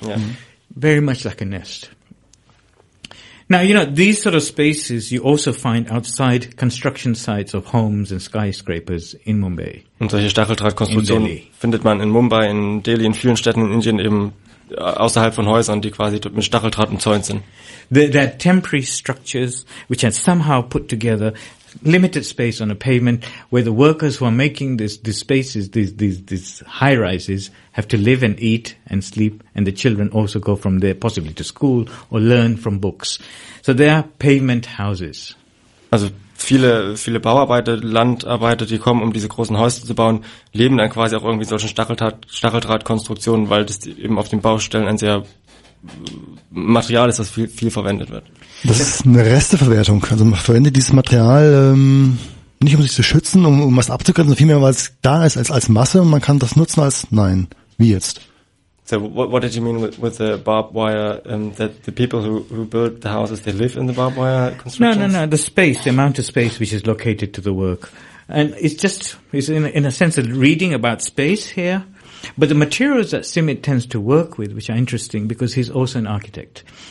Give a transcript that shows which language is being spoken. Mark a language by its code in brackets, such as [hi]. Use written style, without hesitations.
[en] Yeah. Mm. Very much like a nest. Now, you know, these sort of spaces you also find outside construction sites of homes and skyscrapers in Mumbai. [de] Und solche Stacheldrahtkonstruktionen findet man in Mumbai, in Delhi, in vielen Städten in Indien eben außerhalb von Häusern, die quasi mit Stacheldraht umzäunt sind. [en] They're temporary structures which are somehow put together, limited space on a pavement, where the workers who are making these spaces, these high rises, have to live and eat and sleep, and the children also go from there possibly to school or learn from books. So they are pavement houses. [de] Also viele Bauarbeiter, Landarbeiter, die kommen, um diese großen Häuser zu bauen, leben dann quasi auch irgendwie in solchen Stacheldrahtkonstruktionen, weil das eben auf den Baustellen ein sehr Material ist, das viel verwendet wird. Das ist eine Resteverwertung. Also man verwendet dieses Material nicht, um sich zu schützen, um was abzugrenzen, sondern vielmehr, weil es da ist als Masse und man kann das nutzen als nein, wie jetzt. [en] So what did you mean with the barbed wire, that the people who build the houses, they live in the barbed wire construction? No, the space, the amount of space which is located to the work. And it's in a sense of reading about space here, but the materials that Simit tends to work with, which are interesting because he's also an architect.